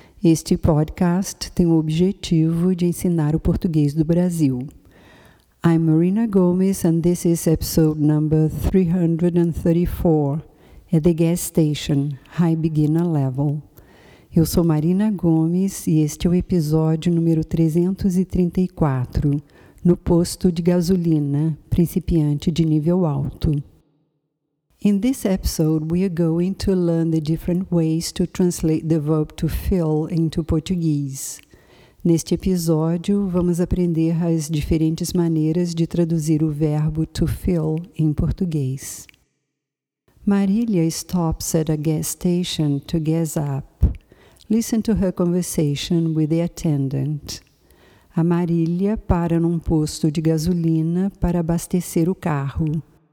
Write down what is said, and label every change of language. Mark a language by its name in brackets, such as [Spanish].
[Portuguese] Este podcast tem o objetivo de ensinar o português do Brasil. [English] I'm Marina Gomes and this is episode number 334 at the gas station, high beginner level. [Portuguese] Eu sou Marina Gomes e este é o episódio número 334. No posto de gasolina, principiante de nível alto. [English] In this episode, we are going to learn the different ways to translate the verb to fill into Portuguese. [Portuguese] Neste episódio, vamos aprender as diferentes maneiras de traduzir o verbo to fill em português. [English] Marília stops at a gas station to gas up. Listen to her conversation with the attendant. [Portuguese] A Marília para num posto de gasolina para abastecer o carro.